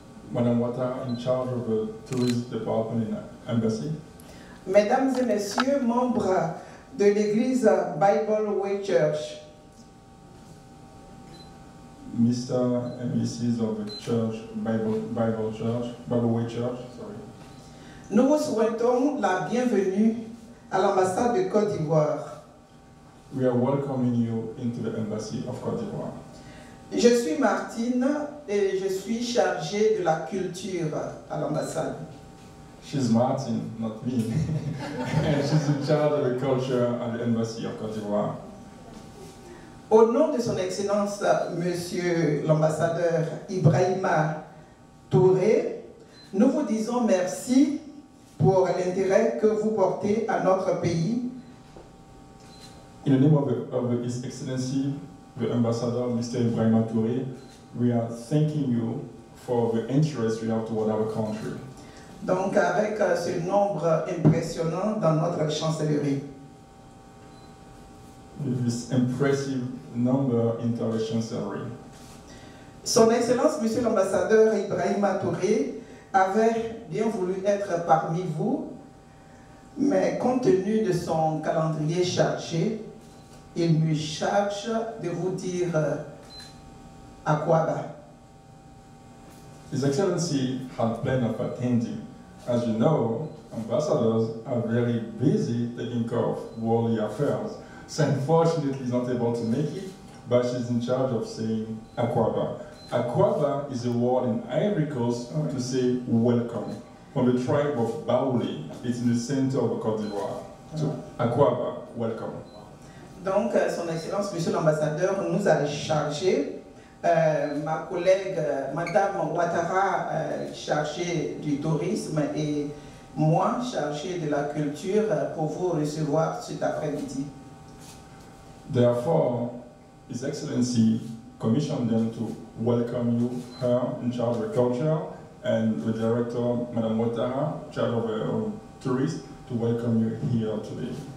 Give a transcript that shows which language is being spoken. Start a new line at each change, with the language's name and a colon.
English: Madame Ouattara, in charge of the tourist department in the embassy.
French: Mesdames et messieurs, membres de l'église Bible Way Church.
English: Mr. and Mrs. of the church, Bible Way Church.
French: Nous vous souhaitons la bienvenue à l'ambassade de Côte d'Ivoire.
English: We are welcoming you into the embassy of Côte d'Ivoire.
French: Je suis Martine et je suis chargée de la culture à l'ambassade.
English: She's Martine, not me. She's in charge of the culture at the embassy of Côte d'Ivoire.
French: Au nom de son Excellence, Monsieur l'ambassadeur Ibrahima Touré, nous vous disons merci pour l'intérêt que vous portez à notre pays.
English: In the name of His Excellency, the Ambassador, Mr. Ibrahima Touré, we are thanking you for the interest you have toward our country.
French: Donc avec ce nombre impressionnant dans notre chancellerie.
English: This impressive number in our chancellery.
French: Son Excellence, Monsieur l'Ambassadeur Ibrahima Touré, avait bien voulu être parmi vous, mais compte tenu de son calendrier chargé, il me charge de vous dire à quoi va.
English: His Excellency had plan of attending. As you know, ambassadors are very busy taking care of worldly affairs. So unfortunately, he's not able to make it, but she's in charge of saying à quoi va. Aquaba is a word in Ivory Coast to say welcome. From the tribe of Baoulé, it's in the center of Côte d'Ivoire. So, Aquaba, welcome.
French: Donc, Son Excellence, Monsieur l'Ambassadeur, nous a chargé, ma collègue, Madame Ouattara, chargée du tourisme, et moi, chargée de la culture, pour vous recevoir cet après-midi.
English: Therefore, His Excellency commissioned them to welcome you, her in charge of the culture, and the director, Madame Ouattara, charge of tourism, to welcome you here today.